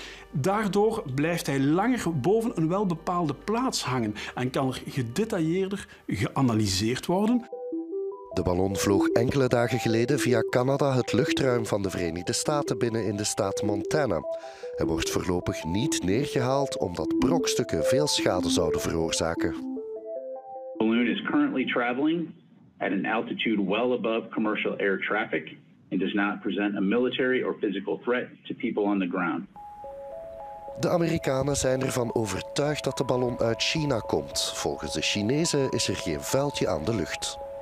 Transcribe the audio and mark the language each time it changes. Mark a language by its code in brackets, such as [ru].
[nl] Daardoor blijft hij langer boven een welbepaalde plaats hangen en kan er gedetailleerder geanalyseerd worden. De ballon vloog enkele dagen geleden via Canada het luchtruim van de Verenigde Staten binnen in de staat Montana. Hij wordt voorlopig niet neergehaald omdat brokstukken veel schade zouden veroorzaken. [en] The balloon is currently traveling at an altitude well above commercial air traffic and does not present a military or physical threat to people on the ground. [nl] De Amerikanen zijn ervan overtuigd dat de ballon uit China komt. Volgens de Chinezen is er geen vuiltje aan de lucht.